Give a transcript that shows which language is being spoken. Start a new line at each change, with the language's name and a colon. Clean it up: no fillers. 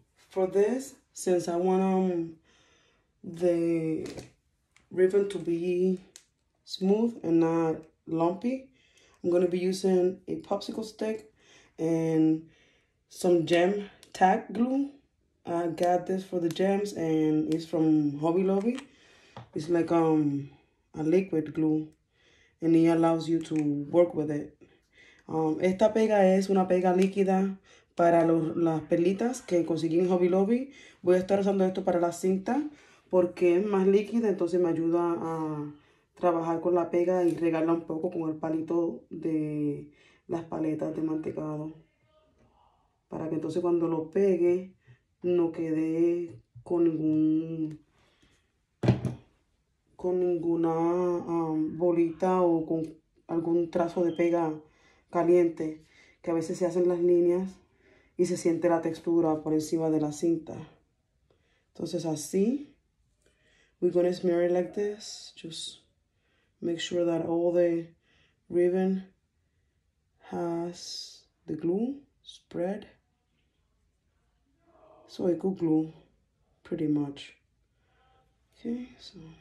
English: For this, since I want the ribbon to be smooth and not lumpy, I'm going to be using a popsicle stick and some gem tack glue. I got this for the gems and it's from Hobby Lobby. It's like a liquid glue and it allows you to work with it.
Spanish: Esta pega es una pega líquida para las perlitas que conseguí en Hobby Lobby. Voy a estar usando esto para la cinta porque es más líquida, entonces me ayuda a trabajar con la pega y regarla un poco con el palito de las paletas de mantecado. Para que entonces cuando lo pegue, no quede con ninguna bolita o con algún trazo de pega caliente. Que a veces se hacen las líneas y se siente la textura por encima de la cinta. Entonces así,
English: we're gonna smear it like this. Just make sure that all the ribbon has the glue spread. So it could glue pretty much. Okay, so.